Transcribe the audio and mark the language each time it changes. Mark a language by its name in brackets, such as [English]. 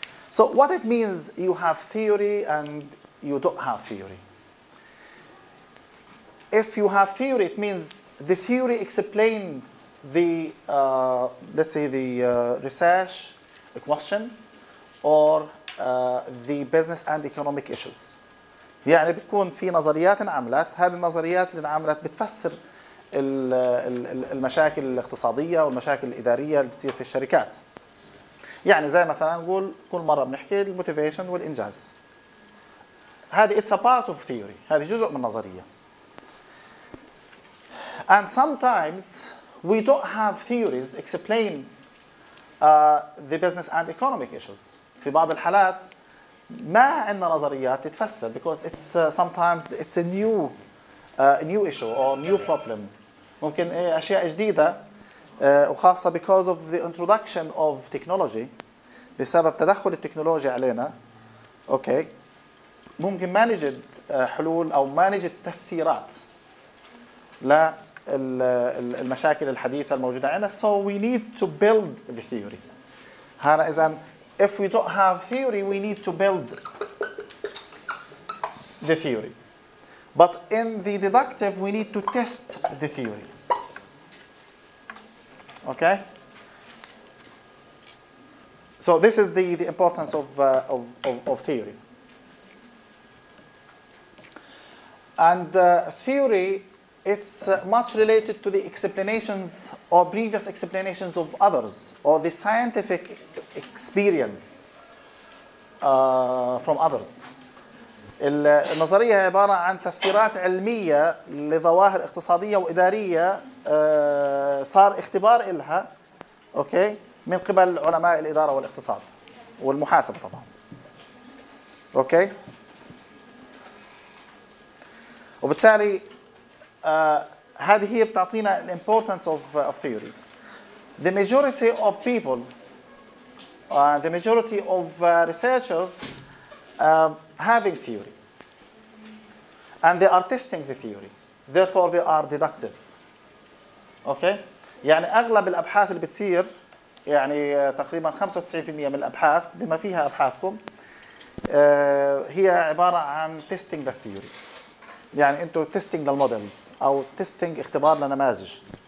[English] So what it means you have theory and you don't have theory. If you have theory, it means the theory explains the, let's say, the research question or the business and economic issues. [Arabic] يعني بتكون في نظريات انعملت, هذه النظريات اللي انعملت بتفسر المشاكل الاقتصادية والمشاكل الإدارية اللي بتصير في الشركات. يعني زي مثلا نقول كل مرة بنحكي الموتيفيشن والإنجاز. هذه [English] it's a part of theory, [Arabic] هذه جزء من النظرية. [English] And sometimes we don't have theories explain the business and economic issues. [Arabic] في بعض الحالات ما عندنا نظريات تتفسر, [English] because it's sometimes it's a new new issue or new problem. [Arabic] ممكن أشياء جديدة, وخاصة [English] because of the introduction of technology, [Arabic] بسبب تدخل التكنولوجيا علينا. [English] Okay, [Arabic] ممكن ما نجد حلول أو ما نجد تفسيرات لا المشاكل الحديثة الموجودة عندنا. [English] So we need to build the theory. [Arabic] هنا إذا [English] if we don't have theory, we need to build the theory. But in the deductive, we need to test the theory. Okay? So this is the importance of theory. And theory, it's much related to the explanations or previous explanations of others or the scientific experience from others. [Arabic] النظرية هي عبارة عن تفسيرات علمية لظواهر اقتصادية وإدارية صار اختبار إلها أوكي من قبل علماء الإدارة والاقتصاد والمحاسب طبعا أوكي. وبالتالي هذه هي بتعطينا [English] the importance of theories. The majority of people the majority of researchers having theory and they are testing the theory, therefore they are deductive. [Arabic] Okay, يعني أغلب الأبحاث اللي بتصير يعني تقريبا 95% من الأبحاث بما فيها أبحاثكم هي عبارة عن [English] testing the theory. [Arabic] يعني أنتوا [English] testing the models [Arabic] أو testing اختبار لنماذج.